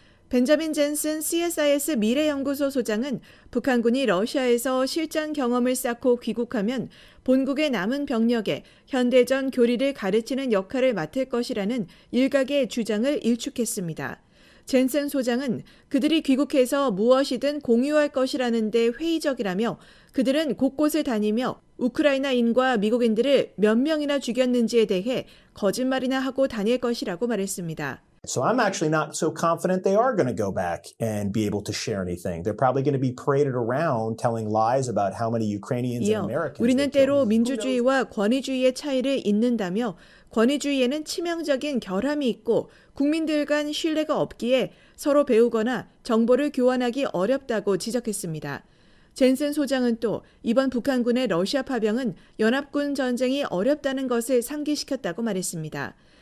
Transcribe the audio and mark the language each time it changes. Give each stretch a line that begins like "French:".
Korean: 벤자민 젠슨 CSIS 미래연구소 소장은 북한군이 러시아에서 실전 경험을 쌓고 귀국하면 본국의 남은 병력에 현대전 교리를 가르치는 역할을 맡을 것이라는 일각의 주장을 일축했습니다. 젠슨 소장은 그들이 귀국해서 무엇이든 공유할 것이라는 데 회의적이라며 그들은 곳곳을 다니며 우크라이나인과 미국인들을 몇 명이나 죽였는지에 대해 거짓말이나 하고 다닐 것이라고 말했습니다.
English: So I'm actually not so confident they are going to go back and be able to share anything. They're probably going to be paraded around telling lies about how many Ukrainians and Americans.
Korean: 우리는 때로 민주주의와 권위주의의 차이를 잇는다며 권위주의에는 치명적인 결함이 있고 국민들 간 신뢰가 없기에 서로 배우거나 정보를 교환하기 어렵다고 지적했습니다. 젠슨 소장은 또 이번 북한군의 러시아 파병은 연합군 전쟁이 어렵다는 것을 상기시켰다고 말했습니다.